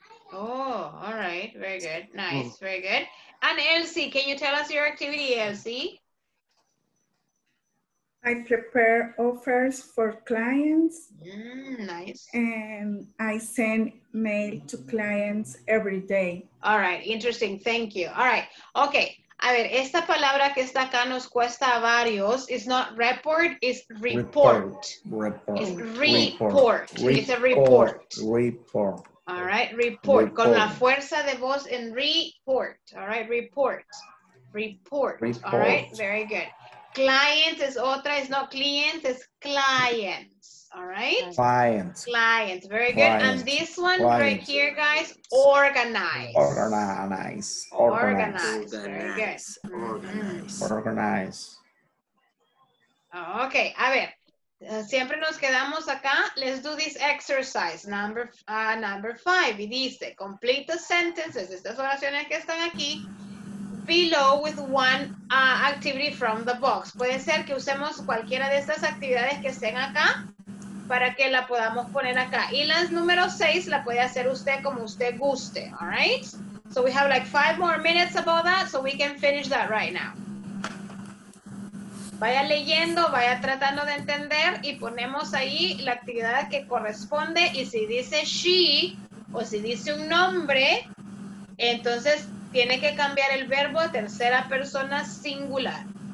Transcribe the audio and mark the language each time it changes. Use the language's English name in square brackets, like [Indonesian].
[English] Oh, all right. Very good. Nice. Very good. And Elsie, can you tell us your activity, Elsie? I prepare offers for clients. Nice. And I send mail to clients every day. All right. Interesting. Thank you. All right. Okay. [Spanish] A ver, esta palabra que está acá nos cuesta a varios. [English] It's not report, it's report. Report. It's report. Report. It's a report. Report. All right, report. Report. [Spanish] Con la fuerza de voz en [English] report. All right, report. Report. Report. All right, very good. Client [Spanish] es otra, [English] it's not client, it's clients. All right? Clients. Clients, very good. Clients. And this one clients. Right here, guys, organize. Organize. Organize. Organize. Very good. Organize. Organize. Okay, [Spanish] a ver. Siempre nos quedamos acá. [English] Let's do this exercise. Number 5. [Spanish] Y dice, [English] complete the sentences, [Spanish] estas oraciones que están aquí, [English] below with one activity from the box. [Spanish] Puede ser que usemos cualquiera de estas actividades que estén acá para que la podamos poner acá. Y las número 6 la puede hacer usted como usted guste. [English] All right? So we have like 5 more minutes about that, so we can finish that right now. [Spanish] Vaya leyendo, vaya tratando de entender y ponemos ahí la actividad que corresponde. Y si dice she o si dice un nombre, entonces tiene que cambiar el verbo a tercera persona singular.